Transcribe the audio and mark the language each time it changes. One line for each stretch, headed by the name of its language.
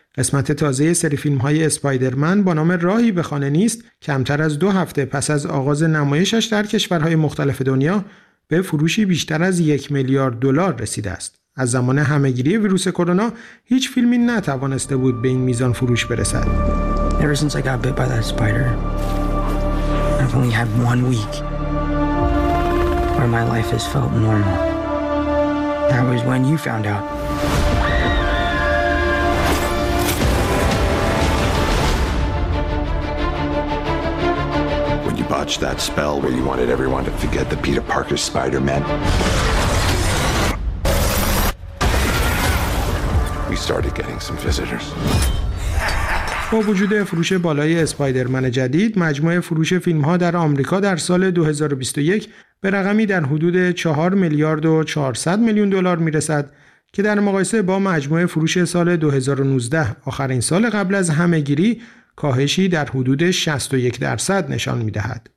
Persian: قسمت تازه سری فیلم‌های اسپایدرمن با نام راهی به خانه نیست، کمتر از دو هفته پس از آغاز نمایشش در کشورهای مختلف دنیا به فروشی بیشتر از 1 میلیارد دلار رسیده است. از زمان همه‌گیری ویروس کرونا هیچ فیلمی نتوانسته بود به این میزان فروش برسد.
English: Ever since I got bit by that spider, I've only had one week where my life has felt normal. That was when you found out. Botch that spell where you wanted everyone to forget the Peter Parker Spider-Man. We started getting some visitors.
Persian: با وجود فروش بالای اسپایدرمن جدید، مجموع فروش فیلم‌ها در آمریکا در سال 2021 به رقمی در حدود 4 میلیارد و 400 میلیون دلار می‌رسد که در مقایسه با مجموع فروش سال 2019، آخرین سال قبل از همه‌گیری، کاهشی در حدود 61% نشان می‌دهد.